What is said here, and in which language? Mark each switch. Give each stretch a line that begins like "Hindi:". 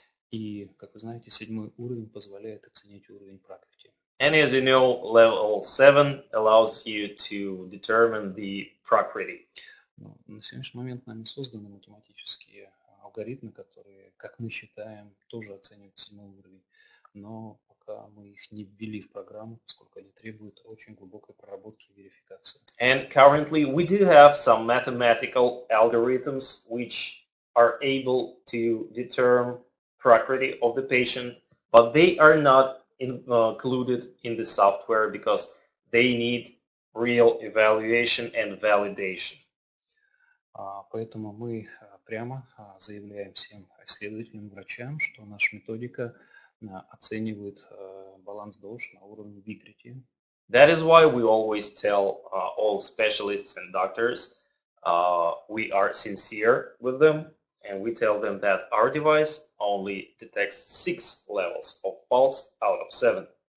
Russian: И, как вы знаете, 7 уровень позволяет оценить уровень Пракрити.
English: And as you know, level 7 allows you to determine the Prakriti.
Russian: На сегодняшний момент нами созданы математические алгоритмы, которые, как мы считаем, тоже оценивают 7 уровень. Но пока мы их не ввели в программу, поскольку они требуют очень глубокой проработки и верификации.
English: And currently we do have some mathematical algorithms which are able to determine Prakriti of the patient, but they are not included in the software because they need real evaluation and validation.
Russian: Поэтому мы прямо заявляем всем исследователям, врачам, что наша методика оценивает баланс душ на уровне Викрити.
English: That is why we always tell all specialists and doctors we are sincere with them, and we tell them that our device only detects 6 levels of pulse out of 7.